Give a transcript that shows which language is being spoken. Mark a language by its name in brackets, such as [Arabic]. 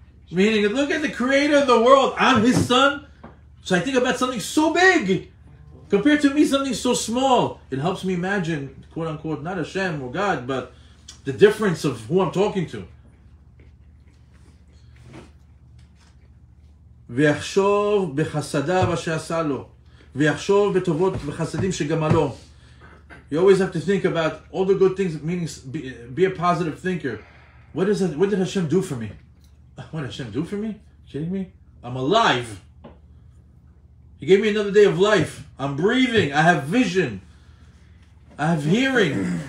[English] Meaning, look at the creator of the world. I'm his son. So I think about something so big compared to me, something so small. It helps me imagine, quote unquote, not Hashem or God, but the difference of who I'm talking to. [Hebrew] ויחשוב בחסדיו אשר עשה לו, ויחשוב בטובות וחסדים שגמלו. [English] You always have to think about all the good things, meaning be a positive thinker. What did Hashem do for me? What did Hashem do for me? Are you kidding me? I'm alive. He gave me another day of life. I'm breathing. I have vision. I have hearing.